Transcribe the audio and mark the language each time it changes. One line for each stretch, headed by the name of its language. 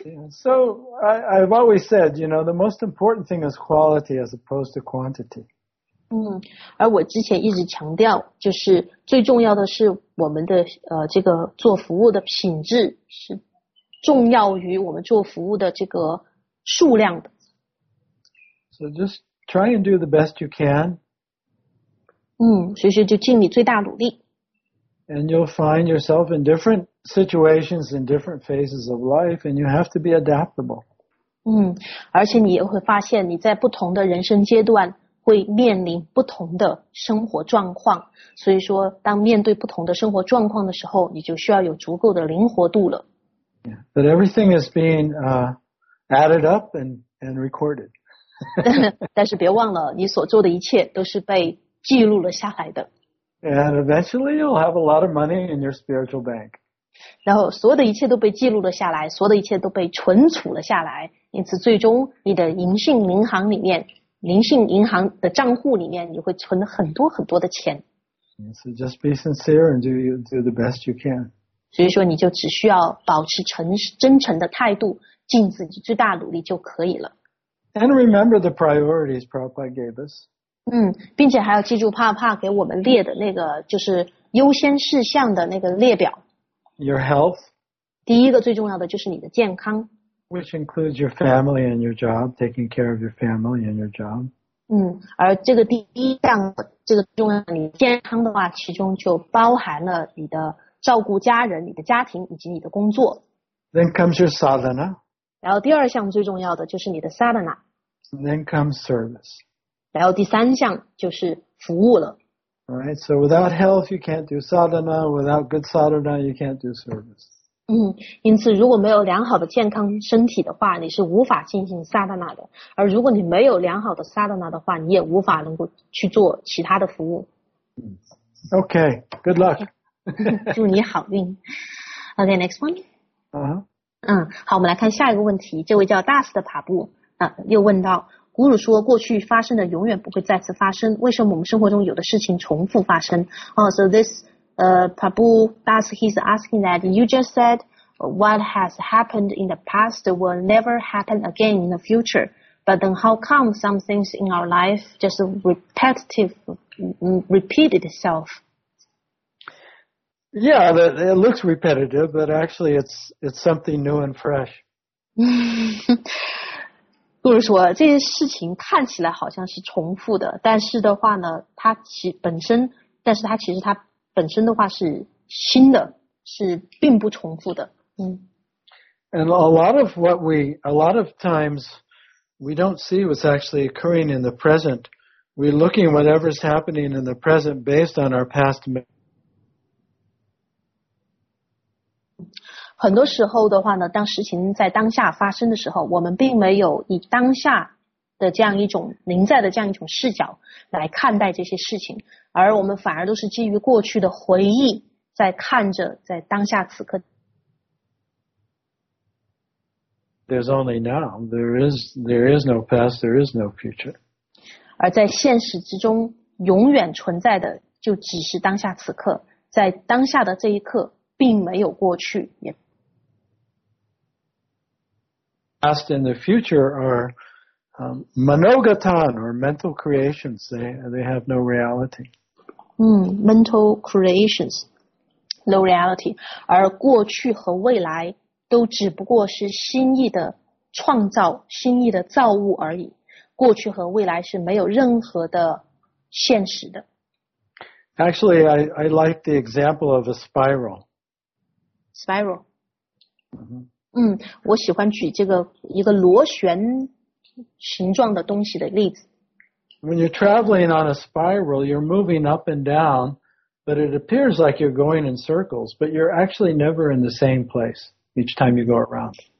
English: So I've always said, the most important thing is quality as opposed to quantity.
Chinese: 而我之前一直强调，就是最重要的是我们的这个做服务的品质是重要于我们做服务的这个数量的。
English: So just try and do the best you can.
Chinese: 所以说就尽你最大努力。
English: And you'll find yourself in different situations, in different phases of life, and you have to be adaptable.
Chinese: 而且你也会发现你在不同的人生阶段会面临不同的生活状况。所以说当面对不同的生活状况的时候，你就需要有足够的灵活度了。
English: Yeah, but everything is being added up and recorded.
Chinese: 但是别忘了，你所做的一切都是被记录了下来的。
English: And eventually you'll have a lot of money in your spiritual bank.
Chinese: 然后所有的一切都被记录了下来，所有的一切都被存储了下来，因此最终你的灵性银行的账户里面，你会存很多很多的钱。
English: So just be sincere and do the best you can.
Chinese: 所以说你就只需要保持真诚的态度，尽自己最大努力就可以了。
English: And remember the priorities Prabhupada gave us.
Chinese: 并且还要记住帕帕给我们列的那个就是优先事项的那个列表。
English: Your health.
Chinese: 第一个最重要的就是你的健康。
English: Which includes your family and your job, taking care of your family and your job.
Chinese: 而这个第一项这个重要的你健康的话，其中就包含了你的照顾家人、你的家庭以及你的工作。
English: Then comes your sadhana.
Chinese: 然后第二项最重要的就是你的 sadhana.
English: Then comes service.
Chinese: 然后第三项就是服务了。
English: All right, so without health, you can't do sadhana. Without good sadhana, you can't do service.
Chinese: 因此如果没有良好的健康身体的话，你是无法进行 sadhana 的。而如果你没有良好的 sadhana 的话，你也无法能够去做其他的服务。
English: Okay, good luck.
Chinese: 祝你好运。
English: Okay, next one. Uh-huh.
Chinese: 好，我们来看下一个问题。这位叫 Das 的爬布又问到，古鲁说过去发生的永远不会再次发生，为什么我们生活中有的事情重复发生？
English: So this Prabhu Das, he's asking that you just said what has happened in the past will never happen again in the future, but then how come some things in our life just repeat itself? Yeah, it looks repetitive, but actually it's something new and fresh.
Chinese: 就是说这些事情看起来好像是重复的，但是的话呢，它本身的话是新的，是并不重复的。
English: And a lot of times we don't see what's actually occurring in the present. We're looking whatever's happening in the present based on our past
Chinese: 很多时候的话呢，当事情在当下发生的时候，我们并没有以当下的这样一种临在的这样一种视角来看待这些事情，而我们反而都是基于过去的回忆在看着在当下此刻。
English: There's only now. There is no past. There is no future.
Chinese: 而在现实之中，永远存在的就只是当下此刻，在当下的这一刻。并没有过去也。
English: Past and the future are Manogatan or mental creations, they have no reality. Mental creations, no reality.
Chinese: 而过去和未来都只不过是心意的创造，心意的造物而已。过去和未来是没有任何的现实的。
English: Actually, I like the example of a spiral. Spiral.
Chinese: 我喜欢举这个一个螺旋形状的东西的例子。
English: When you're traveling on a spiral, you're moving up and down, but it appears like you're going in circles, but you're actually never in the same place each time you go around.